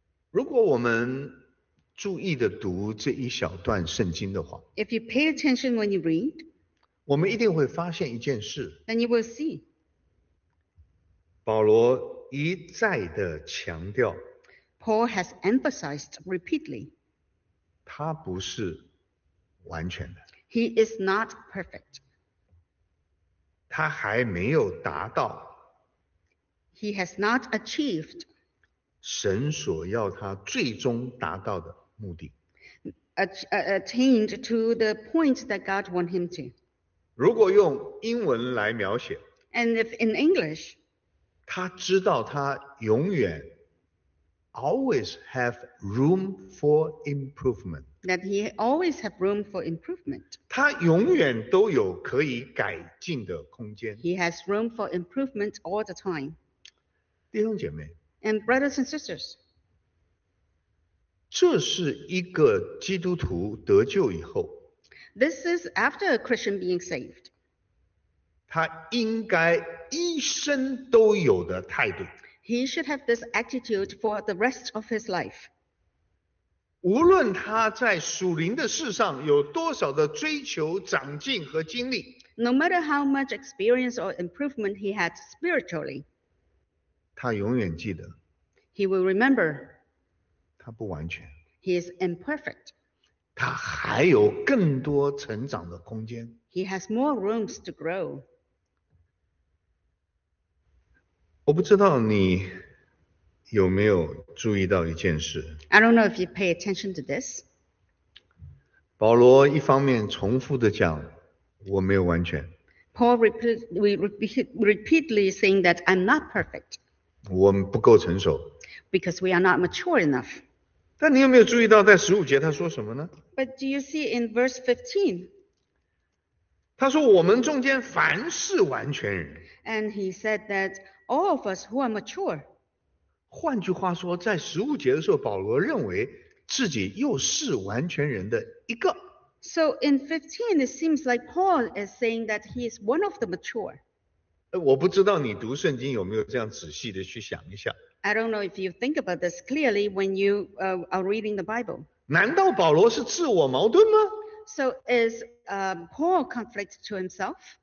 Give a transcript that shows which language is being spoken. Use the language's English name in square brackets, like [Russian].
[Chinese] 如果我们注意的读这一小段圣经的话 [English] If you pay attention when you read, [Chinese] 我们一定会发现一件事 [English] Then you will see. [Chinese] 保罗一再的强调 [English] Paul has emphasized repeatedly. [Chinese] 他不是完全的。 [English] He is not perfect. [Chinese] 他还没有达到。 [English] He has not achieved. [Chinese] 神所要他最终达到的目的。 [English] Attained to the point that God wants him to. [Chinese] 如果用英文来描写。 [English] And if in English. [Chinese] 他知道他永远。 [English] Always have room for improvement. That he always have room for improvement. [Chinese] 他永远都有可以改进的空间。 [English] He has room for improvement all the time. [Chinese] 弟兄姐妹。 [English] And brothers and sisters. [Chinese] 这是一个基督徒得救以后。 [English] This is after a Christian being saved. [Chinese] 他应该一生都有的态度。 [English] He should have this attitude for the rest of his life. [Chinese] 无论他在属灵的事上有多少的追求、长进和经历， [English] No matter how much experience or improvement he had spiritually, [Chinese] 他永远记得， [English] He will remember, [Chinese] 他不完全， [English] He is imperfect, [Chinese] 他还有更多成长的空间， [English] He has more rooms to grow. [Chinese] 我不知道你有没有注意到一件事。 [English] I don't know if you pay attention to this. [Chinese] 保罗一方面重复的讲，我没有完全。 [English] Paul repeatedly saying that I'm not perfect. [Chinese] 我们不够成熟。 [English] Because we are not mature enough. [Chinese] 但你有没有注意到在十五节他说什么呢？ [English] But do you see in verse 15? [Chinese] 他说我们中间凡是完全人。 [English] And he said that all of us who are mature. [Chinese] 换句话说，在十五节的时候，保罗认为自己又是完全人的一个。 [English] So in 15, it seems like Paul is saying that he is one of the mature. [Chinese] 我不知道你读圣经有没有这样仔细的去想一下。 [English] I don't know if you think about this clearly when you are reading the Bible. [Chinese] 难道保罗是自我矛盾吗？ [English] So is Paul conflict to himself?